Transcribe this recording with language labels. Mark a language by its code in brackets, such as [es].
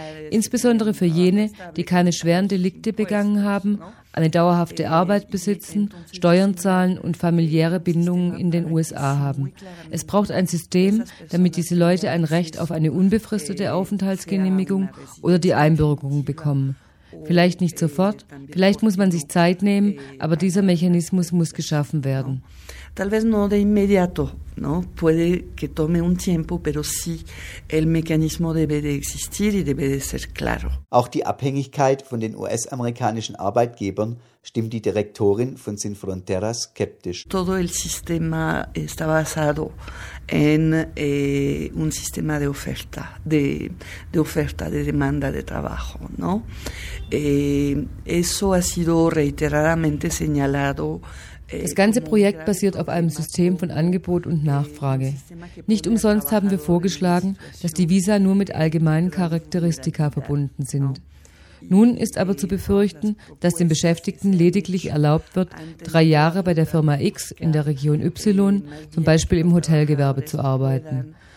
[de] Insbesondere für jene, die keine schweren Delikte begangen haben, eine dauerhafte Arbeit besitzen, Steuern zahlen und familiäre Bindungen in den USA haben. Es braucht ein System, damit diese Leute ein Recht auf eine unbefristete Aufenthaltsgenehmigung oder die Einbürgerung bekommen. Vielleicht nicht sofort, vielleicht muss man sich Zeit nehmen, aber dieser Mechanismus muss geschaffen werden. [es] Tal vez no de inmediato, ¿no? Puede que tome un tiempo, pero sí, el mecanismo debe de existir y debe de ser claro. [de] Auch die Abhängigkeit von den US-amerikanischen Arbeitgebern stimmt die Direktorin von Sin Fronteras skeptisch. [es] Todo el sistema está basado en un sistema de oferta, de demanda de trabajo, ¿no? Eso ha sido reiteradamente señalado. [de] Das ganze Projekt basiert auf einem System von Angebot und Nachfrage. Nicht umsonst haben wir vorgeschlagen, dass die Visa nur mit allgemeinen Charakteristika verbunden sind. Nun ist aber zu befürchten, dass den Beschäftigten lediglich erlaubt wird, 3 Jahre bei der Firma X in der Region Y, zum Beispiel im Hotelgewerbe, zu arbeiten.